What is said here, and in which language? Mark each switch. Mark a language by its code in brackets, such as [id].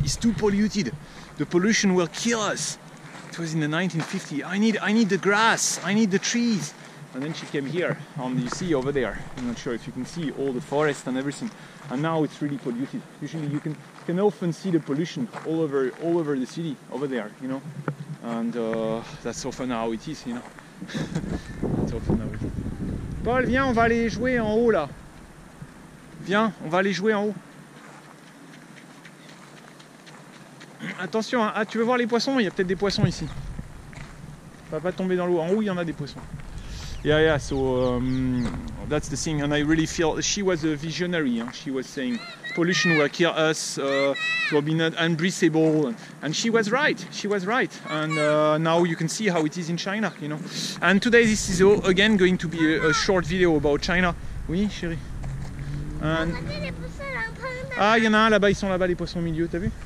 [en] It's too polluted. The pollution will kill us. It was in the 1950s. I need the grass. I need the trees. And then she came here, and you see over there, I'm not sure if you can see all the forest and everything. And now it's really polluted. Usually you can often see the pollution all over the city, over there, you know. And that's often how it is, you know. That's often how it is. [fr] Paul, viens, on va aller jouer en haut, là. Viens, on va aller jouer en haut. Attention, hein. Ah, tu veux voir les poissons? Il y a peut-être des poissons ici. Ça va pas tomber dans l'eau. En haut, il y en a des poissons. [en] Yeah, yeah, so that's the thing, and I really feel she was a visionary, huh? She was saying pollution will kill us, it will be not unbreathable, and she was right, and now you can see how it is in China, you know. And today this is again going to be a short video about China. [fr] Oui, chérie. [en] And, [fr] ah, y en a un là-bas, ils sont là-bas, les poissons au milieu, t'as vu?